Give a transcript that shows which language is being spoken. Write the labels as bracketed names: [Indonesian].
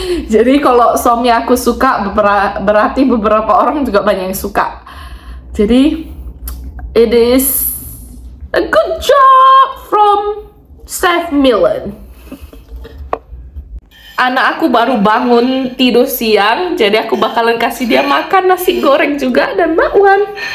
[Indonesian] Jadi kalau suami aku suka, berarti beberapa orang juga banyak yang suka. Jadi [English] it is a good job from Chef Milan. [Indonesian] Anak aku baru bangun tidur siang, jadi aku bakalan kasih dia makan nasi goreng juga dan bakwan.